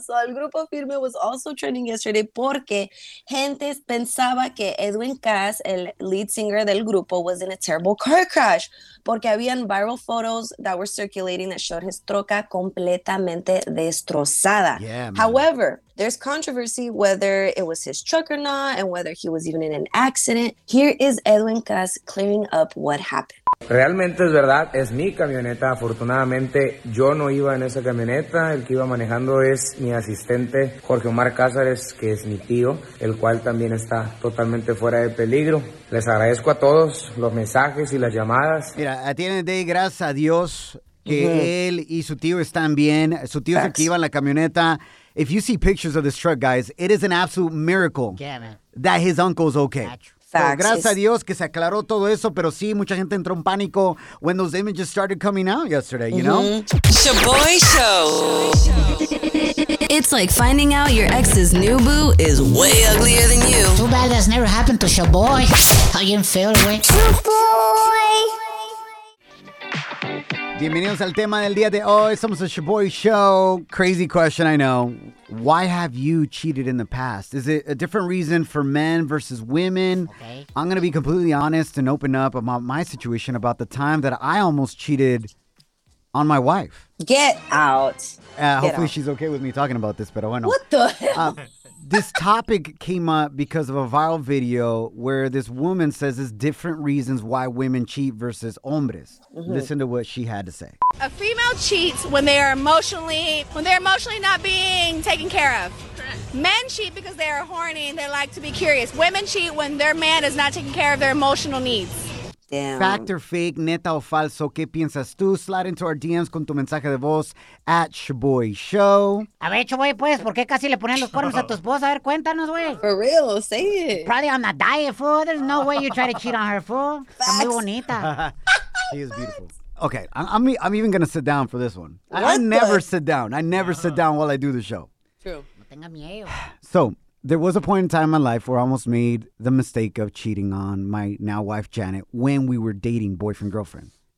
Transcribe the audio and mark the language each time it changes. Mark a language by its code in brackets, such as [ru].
[en] So, el grupo Firme was also trending yesterday [es] porque gente pensaba que Edwin Cass, el [en] lead singer [es] del grupo, [en] was in a terrible car crash. [es] Porque habían [en] viral photos that were circulating that showed his troca [es] completamente destrozada. [en] Yeah, however, there's controversy whether it was his truck or not and whether he was even in an accident. Here is Edwin Cass clearing up what happened. [es] Realmente es verdad, es mi camioneta. Afortunadamente yo no iba en esa camioneta. El que iba manejando es mi asistente Jorge Omar Cázares, que es mi tío, el cual también está totalmente fuera de peligro. Les agradezco a todos los mensajes y las llamadas. Mira, atiende, gracias a Dios que él y su tío están bien. Su tío es el que iba en la camioneta. [en] If you see pictures of this truck, guys, it is an absolute miracle that his uncle's okay. Facts. [es] Gracias a Dios que se aclaró todo eso, pero sí, mucha gente entró en pánico [en] when those images started coming out yesterday, you know? Shoboy Show. It's like finding out your ex's new boo is way uglier than you. Too bad that's never happened to Shoboy. How you feel, boy? Shoboy. [es] Bienvenidos al tema del día de hoy. Somos [en] the Shoboy Show. Crazy question, I know. Why have you cheated in the past? Is it a different reason for men versus women? Okay. I'm going to be completely honest and open up about my situation about the time that I almost cheated on my wife. Get out. Hopefully she's okay with me talking about this, [es] pero bueno. [en] What the hell? This topic came up because of a viral video where this woman says there's different reasons why women cheat versus hombres. Mm-hmm. Listen to what she had to say. A female cheats when they are emotionally not being taken care of. Correct. Men cheat because they are horny and they like to be curious. Women cheat when their man is not taking care of their emotional needs. Damn. Fact or fake, [es] neta o falso, ¿qué piensas tú? [en] Slide into our DMs [es] con tu mensaje de voz [en] at Shoboy Show. [es] A ver, Shoboy, pues, ¿por qué casi le ponen los cuernos a tu esposa? A ver, cuéntanos, güey. [en] For real, say it. Probably on a diet, fool. There's no way you try to cheat on her, fool. [es] Está muy bonita. [en] She is beautiful. Okay, I'm even going to sit down for this one. I never sit down while I do the show. True. So, there was a point in time in my life where I almost made the mistake of cheating on my now wife, Janet, when we were dating boyfriend-girlfriend.